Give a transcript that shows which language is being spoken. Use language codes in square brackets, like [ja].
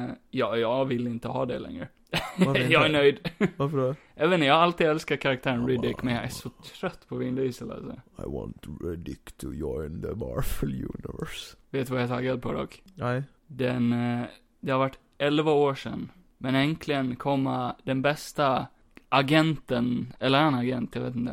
[sv] Ja, jag vill inte ha det längre. Jag är nöjd. Varför då? Jag alltid älskar karaktären Riddick, men jag är så trött på Vin Diesel alltså. [en] I want Riddick to join the Marvel Universe. [sv] Vet du vad jag är taggad på dock? Nej. Det har varit 11 år sedan. Men äntligen kommer den bästa agenten, eller en agent, jag vet inte.